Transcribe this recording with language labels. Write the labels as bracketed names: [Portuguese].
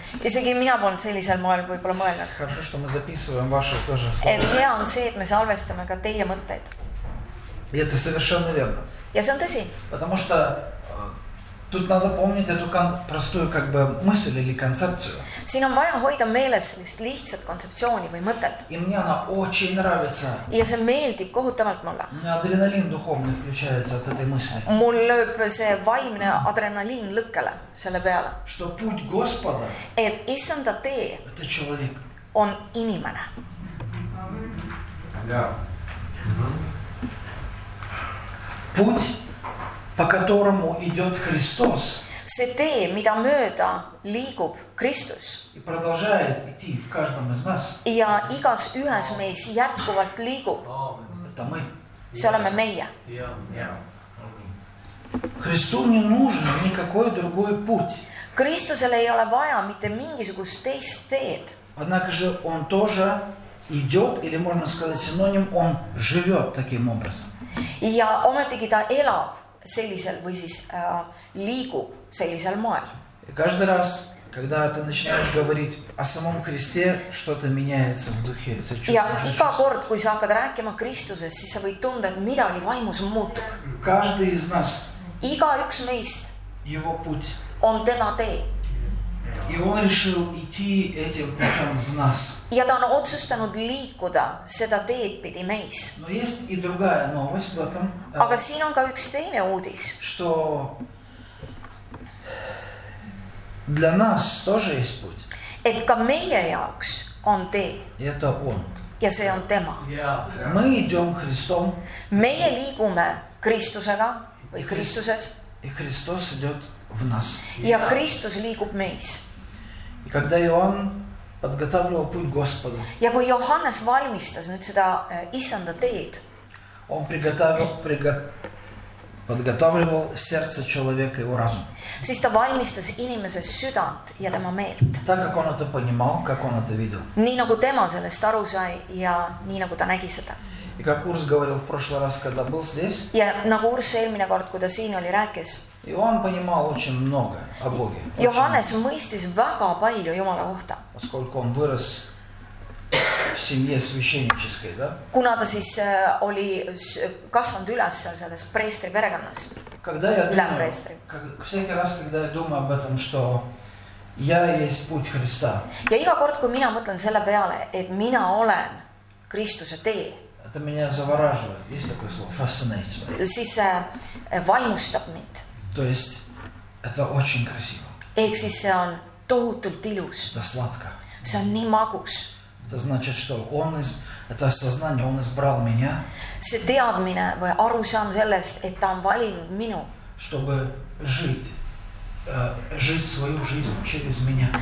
[Russian] Исаги меня был целисель мой, бы было мельнат. Хорошо, что мы записываем ваши тоже. Я он сидит, мы залвестим, как ты я мотает. И это совершенно верно. Я сам ты си. Потому что тут надо помнить эту простую как бы мысль или концепцию. [Estonian] Siin on vaja hoida meeles sellist lihtsat kontseptsiooni või mõtet. [Russian] И мне она очень нравится. [Estonian] Ja see meeldib kohutavalt mulle. [Russian] Ну, адреналин духовный включается от этой мысли. [Estonian] Mul lööb see vaimne adrenaliin lõkkele selle peale. [Russian] Что путь Господа? [Estonian] Et Issanda tee. [Russian] Это человек. [Estonian] On inimene. Ja. [Russian] Путь по которому идет Христос. [Estonian] See tee, mida mööda liigub Kristus. [Russian] И продолжает идти в каждом из нас. [Estonian] Ja igas ühes meis jätkuvalt liigub. [Russian] Это мы. [Estonian] See oleme meie. [Russian] Христу не нужен никакой другой путь. [Estonian] Kristusele ei ole vaja mitte mingisugust teist teed. [Russian] Однако же он тоже идет, или можно сказать синоним, он живет таким образом. [Estonian] Ja ometigi ta elab sellisel või siis liigub sellisel moel. [Russian] И каждый раз, когда ты начинаешь говорить о самом Христе, что-то меняется в духе. [Estonian] Ja iga kord, kui sa hakkad rääkima Kristusest, siis sa võid tunda, et midagi vaimus muutub. [Russian] Каждый из нас. [Estonian] Iga üks meist. [Russian] Его путь. [Estonian] On tema tee. [Russian] И он решил идти этим путем в нас. [Estonian] Ja ta on otsustanud liikuda seda teed pidi meis. [Russian] Но есть и другая новость в этом. [Estonian] Aga siin on ka üks teine uudis. [Russian] Что для нас тоже есть путь. [Estonian] Et ka meie jaoks on tee. [Russian] И это он. [Estonian] Ja see on tema. [Russian] Мы идем Христом. [Estonian] Meie liigume Kristusega või Kristuses. [Russian] И Христос идет в нас. [Estonian] Ja Kristus liigub meis. [Russian] И когда Иоанн подготавливал путь Господа. [Estonian] Ja kui Johannes valmistas nüüd seda Issanda teed. [Russian] Он приготовил подготавливал сердце человека его разум. [Estonian] Siis ta valmistas inimese südant ja tema meelt. [Russian] Так как он это понимал, как он это видел. [Estonian] Nii nagu tema sellest aru sai ja nii nagu ta nägi seda. [Russian] И как Урс говорил в прошлый раз, когда был здесь. [Estonian] Ja nagu Урс eelmine kord, kui ta siin oli rääkis. [Russian] Иоанн понимал очень много о Боге. [Estonian] Johannes mõistis väga palju Jumala kohta. [Russian] Поскольку он вырос в семье священнической, да? [Estonian] Kuna ta siis oli kasvanud üles selles preestri perekonnas. [Russian] Когда я думаю, всякий раз, когда я думаю об этом, что я есть путь Христа. [Estonian] Ja iga kord, kui mina mõtlen selle peale, et mina olen Kristuse tee. [Russian] Это меня завораживает. Есть такое слово? [English] Fascinates me. [Estonian] Siis vaimustab mind. [Russian] То есть Это очень красиво. [Estonian] Ehk siis see on tohutult ilus. [Russian] Это сладко. [Estonian] See on nii magus. [Russian] Это значит, что он из это сознание, он избрал меня. [Estonian] See teadmine või arusaam sellest, et ta on valinud minu. [Russian] Чтобы жить, жить свою жизнь через меня.